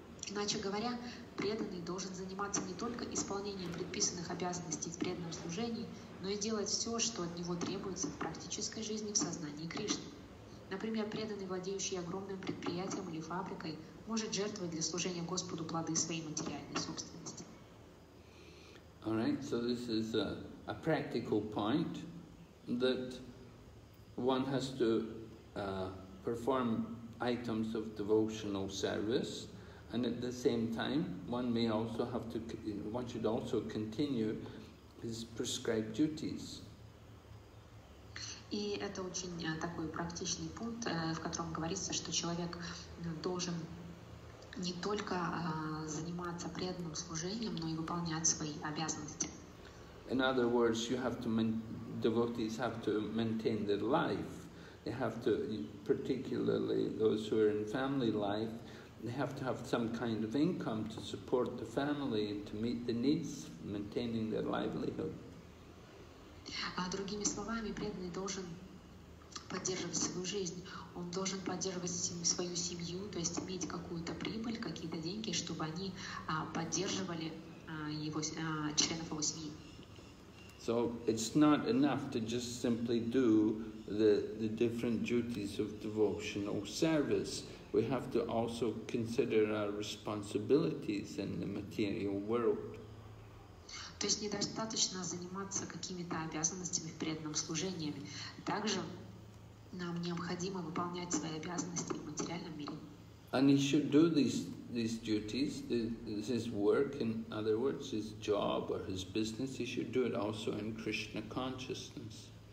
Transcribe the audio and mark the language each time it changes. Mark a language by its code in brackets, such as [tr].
[ru] Иначе говоря, преданный должен заниматься не только исполнением предписанных обязанностей в преданном служении, но и делать все, что от него требуется в практической жизни в сознании Кришны. Например, преданный, владеющий огромным предприятием или фабрикой, может жертвовать для служения Господу плоды своей материальной собственности. [en] All right, so this is a practical point that one has to perform items of devotional service, and at the same time, one may also have to, one should also continue his prescribed duties. [ru] И это очень такой практичный пункт, в котором говорится, что человек должен не только заниматься преданным служением, но и выполнять свои обязанности. [en] In other words, you have to devotees have to maintain their life. They have to, particularly those who are in family life, they have to have some kind of income to support the family and to meet the needs, maintaining their livelihood. [ru] Другими словами, преданный должен поддерживать свою жизнь, он должен поддерживать свою семью, то есть иметь какую-то прибыль, какие-то деньги, чтобы они поддерживали его, членов его семьи. [en] So it's not enough to just simply do the different duties of devotional service. We have to also consider our responsibilities in the material world. [ru] То есть недостаточно заниматься какими-то обязанностями в преданном служении. Также нам необходимо выполнять свои обязанности в материальном мире. [en] And he should do these duties, his work, in other words, his job or his business, he should do it also in Krishna consciousness.